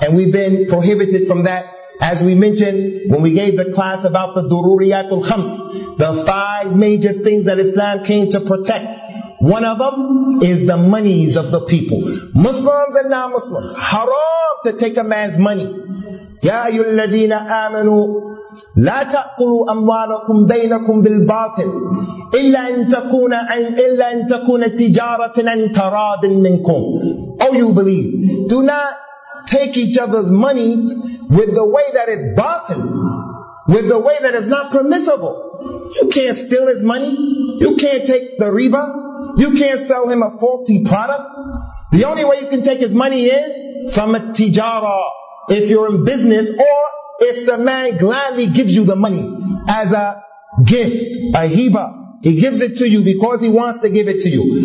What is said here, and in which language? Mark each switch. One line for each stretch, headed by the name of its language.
English: And we've been prohibited from that. As we mentioned when we gave the class about the dururiyatul khams, the five major things that Islam came to protect. One of them is the monies of the people. Muslims and non-Muslims, haram to take a man's money.
Arabic: Ya ayyuhalladhina amanu لا تأكلوا أموالكم بينكم بالباطل إلا أن تكون تجارة عن تراض منكم.
English: Oh, you believe, do not take each other's money with the way that is baatil, with the way that is not permissible. You can't steal his money, you can't take the riba, you can't sell him a faulty product. The only way you can take his money is from a tijara, if you're in business, or if the man gladly gives you the money as a gift, a hiba, he gives it to you because he wants to give it to you.